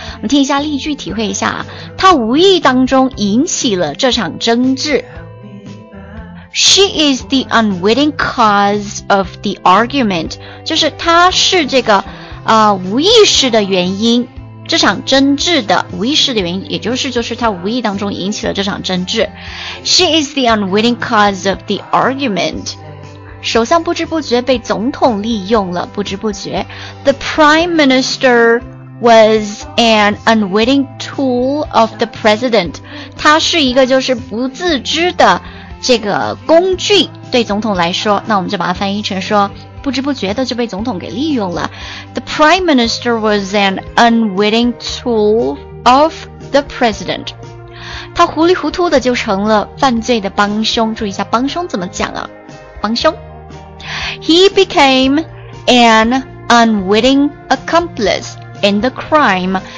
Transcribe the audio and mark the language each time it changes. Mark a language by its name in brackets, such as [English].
[Chinese] 我们听一下例句，体会一下。他无意当中引起了这场争执。 [English] She is the unwitting cause of the argument. [Chinese] 就是她是这个、无意识的原因，这场争执的无意识的原因，也就是她无意当中引起了这场争执。 [English] She is the unwitting cause of the argument. [Chinese] 首相不知不觉被总统利用了，不知不觉。 [English] The Prime Minister was an unwitting tool of the President. [Chinese] 他是一个就是不自知的这个工具，对总统来说。那我们就把它翻译成说，不知不觉的就被总统给利用了。 [English] The Prime Minister was an unwitting tool of the President. [Chinese] 他糊里糊涂的就成了犯罪的帮凶，注意一下帮凶怎么讲啊。 [English] 帮凶 He became an unwitting accomplice in the crime.